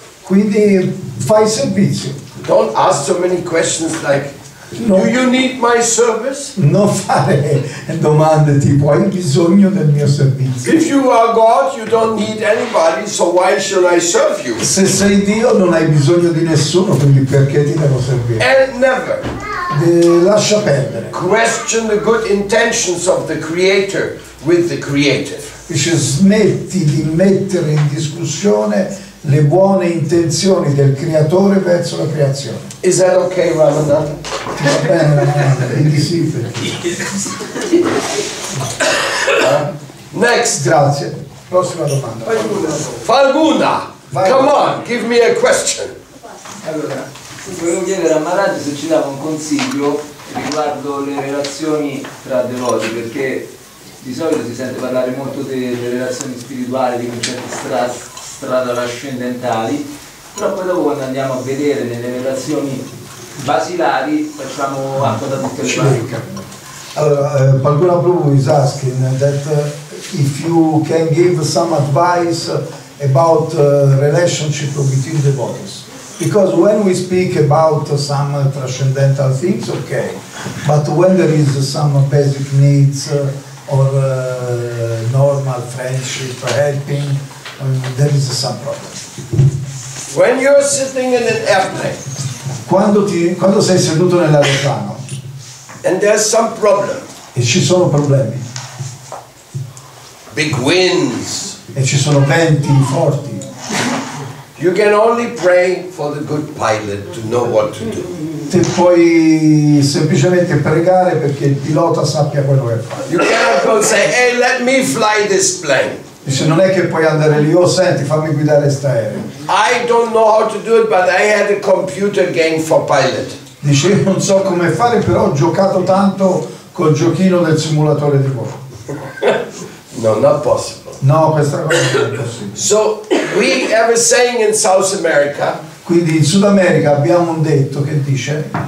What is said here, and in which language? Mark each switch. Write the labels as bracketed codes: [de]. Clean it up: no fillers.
[it] Quindi fai servizio. [en] Don't ask so many questions like, no. Do you need my service? [it] Non fare domande tipo hai bisogno del mio servizio. [en] If you are God, you don't need anybody, so why should I serve you? [it] Se sei Dio non hai bisogno di nessuno, quindi perché ti devo servire? [en] And never. [it] Lascia perdere. [en] Question the good intentions of the Creator with the Creator. [it] Dice, smetti di mettere in discussione le buone intenzioni del creatore verso la creazione. [en] Is that okay, Ramadan? [it] Va bene, Ramadan. [en] Next. [it] Grazie. Prossima domanda. [en] Falguna. Come on, give me a question. [it] Allora, volevo chiedere a Maharaj se ci dava un consiglio riguardo le relazioni tra devoti, perché di solito si sente parlare molto delle relazioni spirituali, di concetti strada trascendentali, però poi dopo quando andiamo a vedere nelle relazioni basilari facciamo acqua da tutte le parti. [en] Allora, Paguna Prabhu is asking that if you can give some advice about relationship between devotees. Because when we speak about some transcendental things, okay, but when there is some basic needs or normal friendship helping, there is some problem. When you're sitting in an airplane, [it] quando sei seduto nell'aeroplano, [en] and there's some problem, [it] e ci sono problemi, [en] big winds, [it] e ci sono venti forti, [en] you can only pray for the good pilot to know what to do. [it] Ti puoi semplicemente pregare perché il pilota sappia quello che fa. [en] You cannot go say, hey, let me fly this plane. [it] Dice, non è che puoi andare lì, oh senti, fammi guidare quest'aereo. [en] I don't know how to do it, but I had a computer game for pilot. [it] Dice, io non so come fare, però ho giocato tanto col giochino del simulatore di volo. [en] No, not possible. [it] No, questa cosa non è possibile. [en] So, we have a saying in South America. [it] Quindi in Sud America abbiamo un detto che dice: